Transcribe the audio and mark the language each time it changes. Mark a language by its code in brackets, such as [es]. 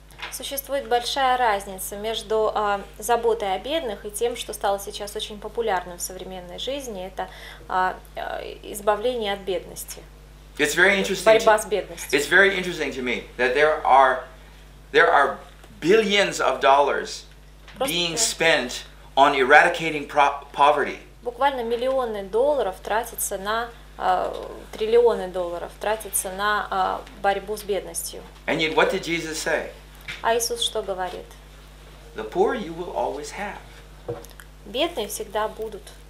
[ru] Существует большая разница между заботой о бедных и тем, что стало сейчас очень популярным в современной жизни, это избавление от бедности. [en] It's very interesting. [ru] Борьба с бедностью. [en] It's very interesting to me that there are billions of dollars being spent on eradicating poverty. [ru] Буквально миллионы долларов тратится на триллионы долларов тратится на борьбу с бедностью. [en] And yet, what did Jesus say? [ru] А Иисус что говорит? [en] The poor you will always have. [ru] Бедные всегда будут.